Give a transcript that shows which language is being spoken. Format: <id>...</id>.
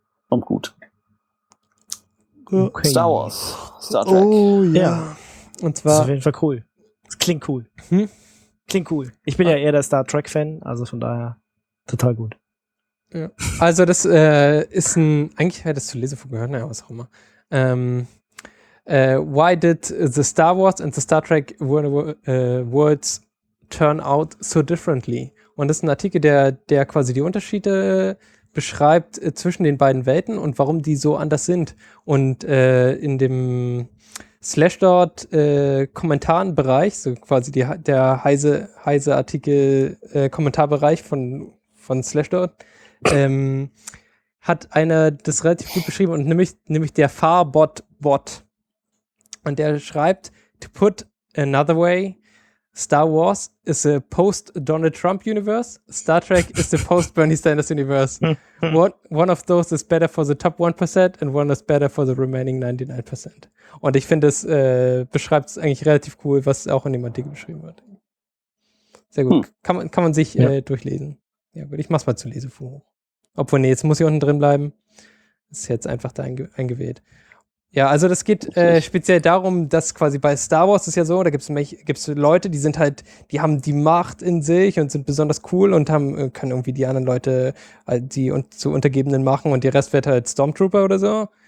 <de>Kommt gut. Okay. Star Wars. Star Trek. Oh, ja. Und zwar, das ist auf jeden Fall cool. Das klingt cool. Klingt cool. Ich bin ja eher der Star Trek-Fan, also von daher total gut. Ja. Also das ist ein, eigentlich hätte ich das zu lesen von gehört, naja, was auch immer.</de> <en>Why did the Star Wars and the Star Trek worlds turn out so differently?</en> <de>Und das ist ein Artikel, der quasi die Unterschiede beschreibt zwischen den beiden Welten und warum die so anders sind. Und in dem Slashdot Kommentarenbereich, so quasi der heise Artikel Kommentarbereich von Slashdot, hat einer das relativ gut beschrieben, und nämlich der Farbot-Bot. Und der schreibt:</de> <en>To put another way, Star Wars is a post-Donald Trump universe. Star Trek is a post-Bernie Sanders universe. One of those is better for the top 1% and one is better for the remaining 99%.</en> <de>Und ich finde, es beschreibt es eigentlich relativ cool, was auch in dem Artikel beschrieben wird. Sehr gut. Kann man sich durchlesen. Ja, gut. Ich mach's mal zu Lesefuhr. Obwohl, nee, jetzt muss ich unten drin bleiben. Ist jetzt einfach da eingewählt. Ja, also das geht speziell darum, dass quasi bei Star Wars ist ja so, da gibt's Leute, die sind halt, die haben die Macht in sich und sind besonders cool und können irgendwie die anderen Leute zu Untergebenen machen und der Rest wird halt Stormtrooper oder so.</de>